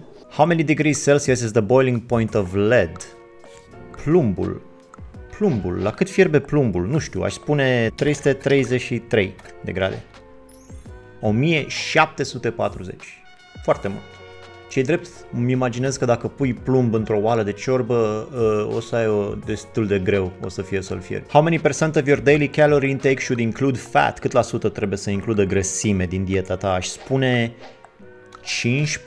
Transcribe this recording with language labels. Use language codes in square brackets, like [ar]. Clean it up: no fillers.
[en] How many degrees Celsius is the boiling point of lead? [ro] Plumbul. Plumbul. La cât fierbe plumbul? Nu știu, aș spune 333 de grade. 1740. Foarte mult. Ce-i drept, îmi imaginez că dacă pui plumb într-o oală de ciorbă, o să ai-o destul de greu, o să fie să-l fieri. [en] How many percent of your daily calorie intake should include fat? [ro] Cât la sută trebuie să includă grăsime din dieta ta? Aș spune 15%?